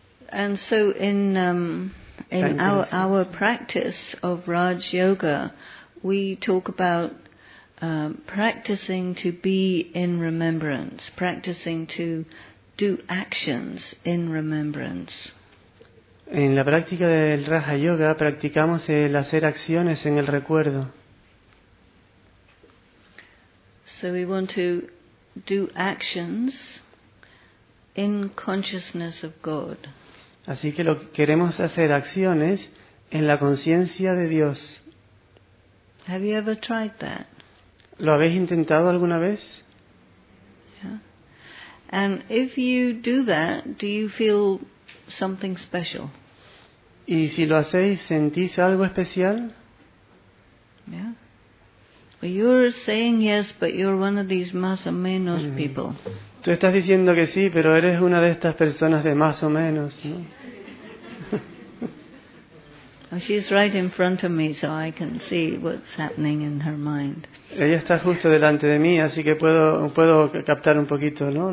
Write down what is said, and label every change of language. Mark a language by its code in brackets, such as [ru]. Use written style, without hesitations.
[en] And so in our practice of Raj Yoga, we talk about practicing to be in remembrance, practicing to do actions in remembrance. [es] En la práctica del Raja Yoga practicamos el hacer acciones en el recuerdo. [en] So we want to do actions in consciousness of God. [es] Así que lo que queremos hacer acciones en la conciencia de Dios. [en] Have you ever tried that? [es] ¿Lo habéis intentado alguna vez? [en] Yeah. And if you do that, do you feel something special? [es] ¿Y si lo hacéis, sentís algo especial? [en] Yeah. Well, you're saying yes, but you're one of these [es] más o menos [en] people. [es] Tú estás diciendo que sí, pero eres una de estas personas de más o menos, ¿no? [en] She's right in front of me, so I can see what's happening in her mind. [es] Ella está justo delante de mí, así que puedo captar un poquito, ¿no?